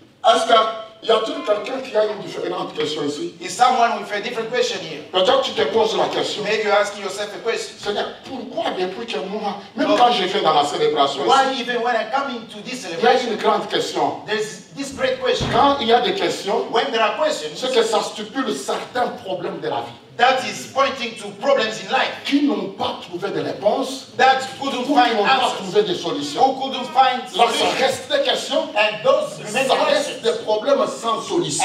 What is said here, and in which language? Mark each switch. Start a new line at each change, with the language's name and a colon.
French: Est-ce qu'il y a-t-il quelqu'un qui a une différente question ici?
English: Is someone with a different question here?
French: Peut-être tu te poses la question.
English: Maybe you ask yourself a question.
French: Seigneur, pourquoi depuis que moi, même quand j'ai fait dans la célébration
English: ici, why even when I come into this celebration?
French: Il y a une grande question.
English: There's this great question.
French: Quand il y a des questions,
English: when there are questions,
French: c'est que ça stipule certains problèmes de la vie.
English: That is pointing to problems in life.
French: Qui n'ont pas trouvé. trouver des réponses,
English: that couldn't find answers,
French: qui n'ont pas trouvé des solutions,
English: who couldn't find solutions,
French: lorsque restent des questions,
English: and those
French: ça reste des problèmes sans solution.